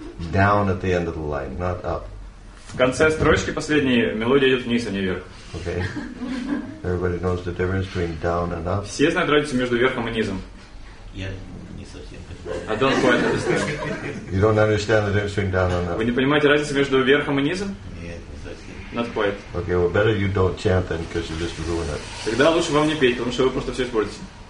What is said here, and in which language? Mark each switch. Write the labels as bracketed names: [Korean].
[English] Down at the end of the line, not up. [Russian] В конце строчки последней мелодия идет вниз, а не вверх. [English] Okay. Everybody knows the difference between down and up. [Russian] Все знают разницу между верхом и низом. Я не совсем. [English] I don't quite understand. You don't understand the difference between down and up. [Russian] Вы не понимаете разницу между верхом и низом? Нет, не совсем. [English] Not quite. Okay, well, better you don't chant then, because you just ruin it. [Russian] Тогда лучше вам не петь, потому что вы просто все испортите.